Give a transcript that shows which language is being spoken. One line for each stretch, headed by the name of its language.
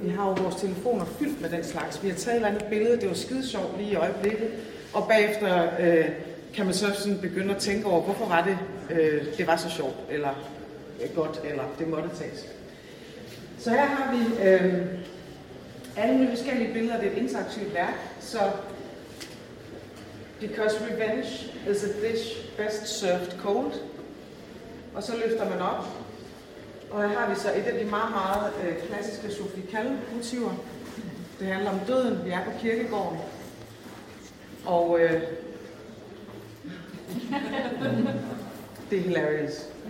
Danish: Vi har jo vores telefoner fyldt med den slags. Vi har taget et eller andet billede, det var skidesjovt lige i øjeblikket. Og bagefter kan man så sådan begynde at tænke over, hvorfor var det, det var så sjovt, eller godt, eller det måtte tages. Så her har vi alle nye forskellige billeder. Det er et interaktivt værk.
English: Så, because revenge is a dish best served cold.
Danish: Og så løfter man op. Og her har vi så et af de meget, meget klassiske Sophie Kalle-motiver. Det handler om døden. Vi er på kirkegården. Og det er hilarious.